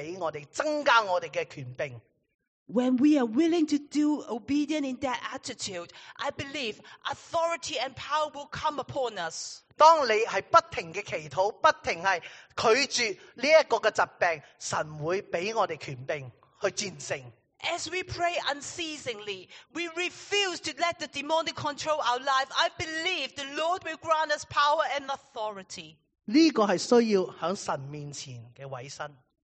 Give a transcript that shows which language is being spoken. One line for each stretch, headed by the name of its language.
Chinese: 当我们这样做的时候，我相信神会给我们增加我们的权柄。
English: When we are willing to do obedient in that attitude, I believe authority and power will come upon us.
Chinese: 当你是不停的祈祷，不停是拒绝这个疾病，神会给我们权柄去战胜。
English: As we pray unceasingly, we refuse to let the demonic control our life. I believe the Lord will grant us power and authority.
Chinese: 这个是需要在神面前的委身。